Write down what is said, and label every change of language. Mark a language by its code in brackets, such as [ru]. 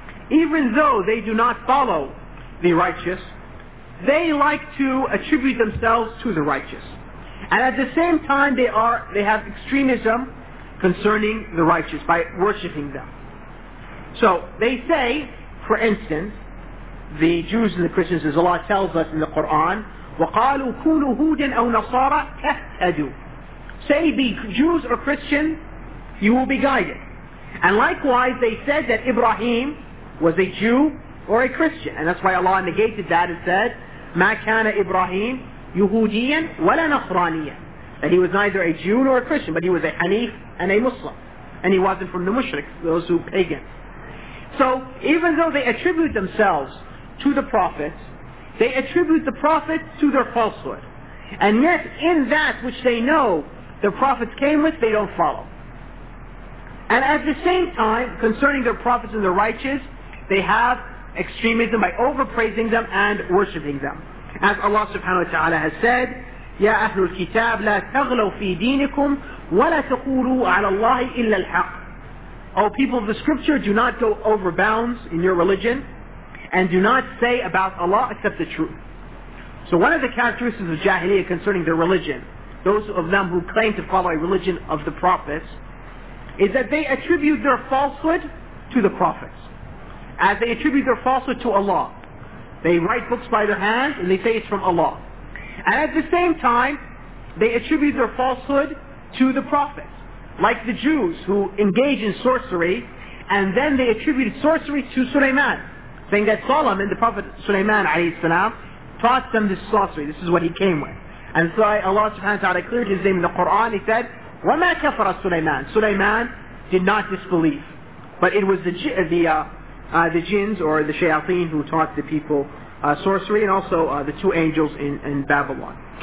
[en] Even though they do not follow the righteous, they like to attribute themselves to the righteous. And at the same time, they have extremism concerning the righteous by worshipping them. So they say, for instance, the Jews and the Christians, as Allah tells us in the Quran, [ar] وقالوا كونوا هودا أو نصارى تهتدوا. [en] Say be Jews or Christian, you will be guided. And likewise they said that Ibrahim was a Jew or a Christian. And that's why Allah negated that and said [ar] ما كان إبراهيم يهوديا ولا نصرانيا. [en] That he was neither a Jew nor a Christian, but he was a Hanif and a Muslim. And he wasn't from the Mushrik, those who pagans. So even though they attribute themselves to the Prophet, they attribute the Prophet to their falsehood. And yet in that which they know the Prophets came with, they don't follow. And at the same time, concerning their Prophets and their righteous, they have extremism by overpraising them and worshipping them. As Allah subhanahu wa ta'ala has said, [ar] يَا أَهْلُ الْكِتَابِ لَا تَغْلَوْ فِي دِينِكُمْ وَلَا تَقُولُوا عَلَى اللَّهِ إِلَّا الْحَقِّ. [en] O people of the scripture, do not go over bounds in your religion, and do not say about Allah except the truth. So one of the characteristics of Jahiliyyah concerning their religion, those of them who claim to follow a religion of the prophets, is that they attribute their falsehood to the prophets. As they attribute their falsehood to Allah, they write books by their hands and they say it's from Allah. And at the same time, they attribute their falsehood to the prophets, like the Jews who engage in sorcery, and then they attributed sorcery to Sulaiman, saying that Solomon, the prophet Sulaiman alayhi salam, taught them this sorcery. This is what he came with. And so Allah subhanahu wa ta'ala cleared his name in the Quran. He said, [ar] وَمَا كَفَرَ سُلَيْمَانِ. [en] Sulaiman did not disbelieve. But it was the jinns or the shayateen who taught the people sorcery, and also the two angels in Babylon.